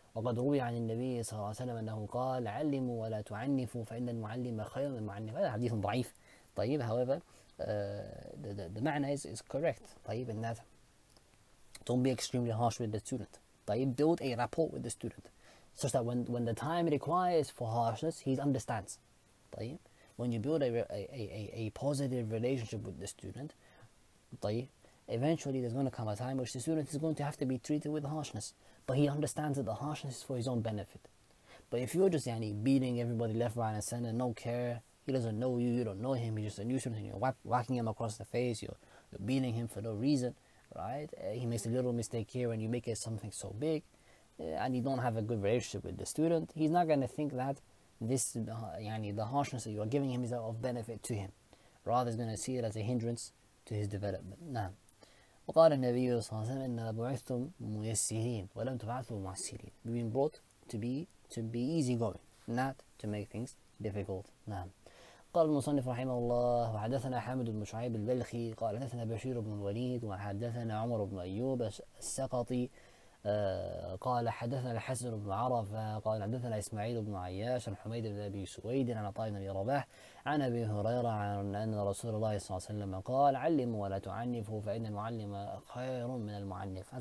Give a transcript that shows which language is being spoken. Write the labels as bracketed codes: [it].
[ar] وقد روي عن النبي صلى الله عليه وسلم أنه قال علموا ولا تعنفوا فإن المعلم خير من المعنف. هذا حديث ضعيف. طيب, [en] however, the [ar] معنى [en] is correct. [ar] طيب, [en] in that don't be extremely harsh with the student. [ar] طيب, [en] build a rapport with the student such that when the time requires for harshness, he understands. [ar] طيب, [en] when you build a positive relationship with the student, طيب, eventually there's going to come a time which the student is going to have to be treated with harshness, but he understands that the harshness is for his own benefit. But if you're just beating everybody left, right, and center, no care, he doesn't know you, you don't know him, he's just a new student, and you're whacking him across the face, you're beating him for no reason, right? He makes a little mistake here and you make it something so big, and you don't have a good relationship with the student, he's not going to think that this, the harshness that you're giving him is of benefit to him. Rather, he's going to see it as a hindrance to his development. Now, [ar] وقال النبي صلى الله عليه وسلم إن بعثتم ميسرين ولم تبعثوا معسرين. [en] We've been brought to be easygoing, not to make things difficult. [ar] نعم. قال المصنف رحمه الله وحدثنا حامد بن شعيب البلخي قال حدثنا بشير بن الوليد وحدثنا عمر بن أيوب السقطي قال حدثنا الحسن بن عرفة قال حدثنا إسماعيل بن عياش عن حميد بن أبي سويد عن طائف بن رباح عن أبي هريرة عن أن رسول الله صلى الله عليه وسلم قال علموا ولا تعنفوا فإن المعلم خير من المعنف.